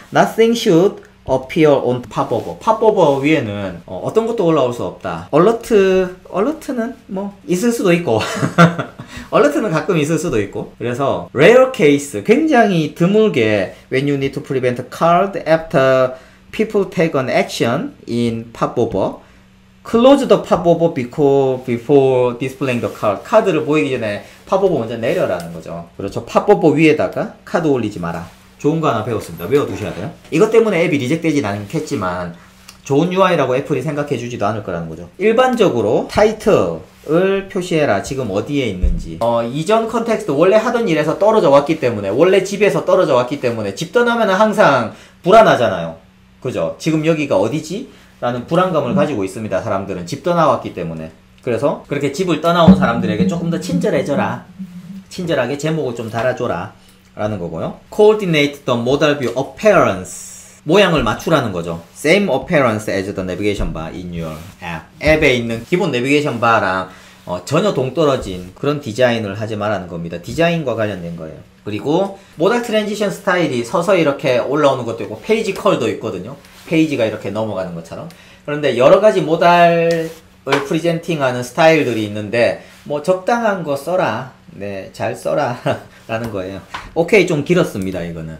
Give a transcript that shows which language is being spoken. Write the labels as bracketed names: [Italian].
[English] nothing should appear on pop-over. [Korean] pop-over 위에는 어떤 것도 올라올 수 없다. alert는 뭐 있을 수도 있고 alert는 가끔 있을 수도 있고. 그래서 [English] rare case, [Korean] 굉장히 드물게 [English] when you need to prevent card after people take an action in pop-over. close the pop-over before displaying the card. [Korean] 카드를 보이기 전에 pop-over 먼저 내려라는 거죠. 그렇죠. pop-over 위에다가 카드 올리지 마라. 좋은 거 하나 배웠습니다. 외워두셔야 돼요. 이것 때문에 앱이 리젝되진 않겠지만 좋은 UI라고 애플이 생각해주지도 않을 거라는 거죠. 일반적으로 타이틀을 표시해라. 지금 어디에 있는지. 이전 컨텍스트, 원래 하던 일에서 떨어져 왔기 때문에, 원래 집에서 떨어져 왔기 때문에 집 떠나면 항상 불안하잖아요. 그죠? 지금 여기가 어디지? 라는 불안감을 가지고 있습니다. 사람들은 집 떠나왔기 때문에. 그래서 그렇게 집을 떠나온 사람들에게 조금 더 친절해져라. 친절하게 제목을 좀 달아줘라. 라는 거고요. [English] coordinate the modal view appearance. [Korean] 모양을 맞추라는 거죠. [English] same appearance as the navigation bar in your app. [Korean] 앱에 있는 기본 내비게이션 바랑 전혀 동떨어진 그런 디자인을 하지 말라는 겁니다. 디자인과 관련된 거예요. 그리고 모달 트랜지션 스타일이 서서히 이렇게 올라오는 것도 있고 페이지 컬도 있거든요. 페이지가 이렇게 넘어가는 것처럼. 그런데 여러 가지 모달을 프리젠팅하는 스타일들이 있는데 뭐 적당한 거 써라. 네, 잘 써라 라는 거예요. 오케이, 좀 길었습니다 이거는.